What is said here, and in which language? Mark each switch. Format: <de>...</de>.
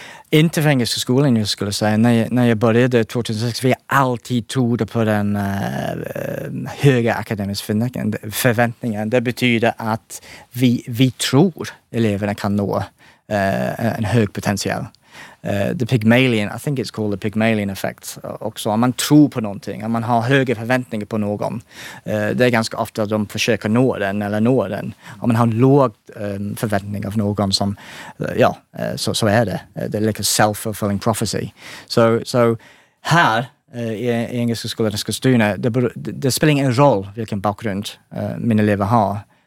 <sv>Inte för engelska skolan, jag skulle säga. När jag började 2006, vi alltid trodde på den höga akademiska förväntningen. Det betyder att vi tror eleverna kan nå en hög potential.</sv> <en>The Pygmalion, I think it's called the Pygmalion effect också.</en> <sv>Om man tror på någonting, om man har höga förväntningar på någon, det är ganska ofta att de försöker nå den eller nå den. Om man har låg förväntning av någon som, ja, så är det. Det är</sv> <en>like a self-fulfilling prophecy. So</en> <sv>här i engelska skolan i Skostuna, det spelar ingen roll vilken bakgrund mina elever har.</sv>